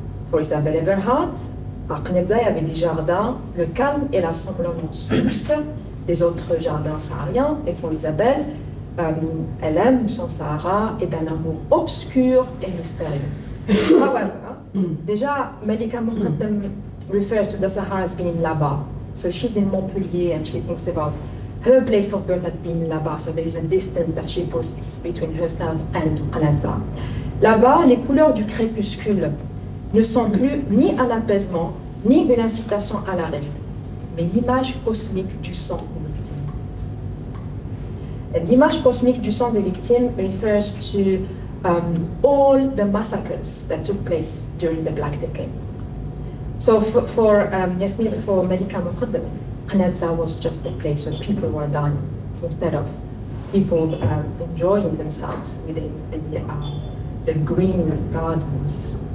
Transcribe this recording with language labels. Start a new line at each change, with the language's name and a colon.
French: Pour Isabelle Eberhard, à Qalanzar, il y avait des jardins, le calme et l'assemblement douce des autres jardins sahariens. Et pour Isabelle, elle aime son Sahara et d'un amour obscur et mystérieux.
English: Déjà, Malika Muqaddam refers to the Sahara as being
French: là-bas.
English: So she's in Montpellier and she thinks about her place of birth has been là-bas, so there is a distance that she posts between herself and Qalanzar.
French: Là-bas, les couleurs du crépuscule ne sont plus ni un apaisement, ni une incitation à l'arrêt, mais l'image cosmique du sang des victimes. L'image cosmique du sang des victimes
English: refers to all the massacres that took place during the Black Decade. So for Malika Muqaddam, Qalanzar was just a place where people were dying instead of people enjoying themselves within the green gardens.